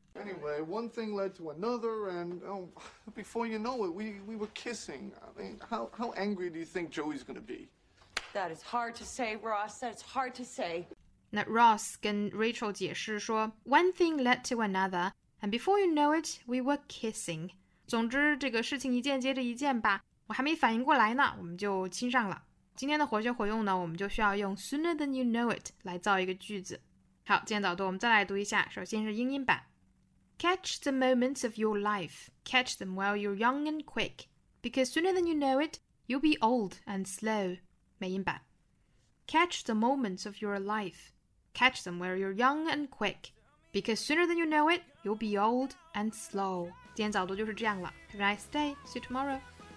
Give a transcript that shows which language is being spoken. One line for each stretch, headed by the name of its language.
English: Anyway, one thing led to another and、oh, before you know it we were kissing. I mean, how angry do you think Joey's gonna be That is hard to say, Ross. That is hard to say.
Chinese: 那 Ross 跟 Rachel 解释说
English: One thing led to another, and before you know it, we were kissing.
Chinese: 总之这个事情一件接着一件吧，我还没反应过来呢，我们就亲上了。今天的活学活用呢，我们就需要用
English: sooner than you know it
Chinese: 来造一个句子。好，今天早读我们再来读一下，首先是英音版。
English: Catch the moments of your life. Catch them while you're young and quick. Because sooner than you know it, you'll be old and slow.
Chinese: 美音版
English: Catch the moments of your life. Catch them where you're young and quick. Because sooner than you know it, you'll be old and slow.
Chinese: 今天早读就是这样了。
English: Have a nice day. See you tomorrow.